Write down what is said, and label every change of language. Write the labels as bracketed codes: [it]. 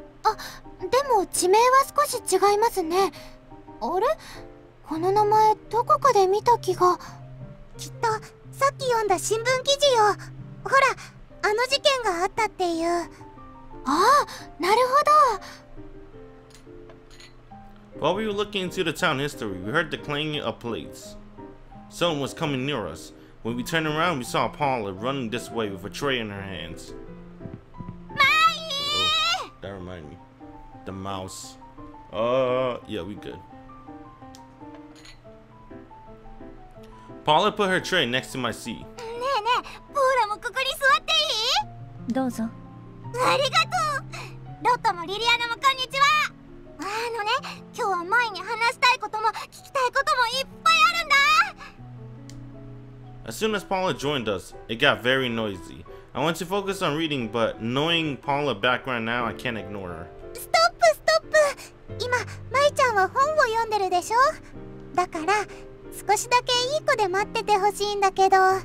[ja] あ、でも地名は少し違いますね。あれ？この名前どこかで見た気が。きっとさっき読んだ新聞記事よ。ほら、あの事件があったっていう。ああ、なるほど。 [en] While we were looking into the town history, we heard the clanging of plates. Someone was coming near us. When we turned around, we saw Paula running this way with a tray in her hands. Mai! Oh, that reminded me. The mouse. Yeah, we good. Paula put her tray next to my seat. [ja] ねえねえ、ポーラもここに座っていい？どうぞ。ありがとう。ロットもリリアナもこんにちは。あのね、今日はマイに話したいことも聞きたいこともいっぱいあるんだ。 [en] As soon as Paula joined us, it got very noisy. I want to focus on reading, but knowing Paula's background now, I can't ignore her. Stop, stop! [ja] 今、マイちゃんは本を読んでるでしょ？だから、少しだけいい子で待っててほしいんだけど。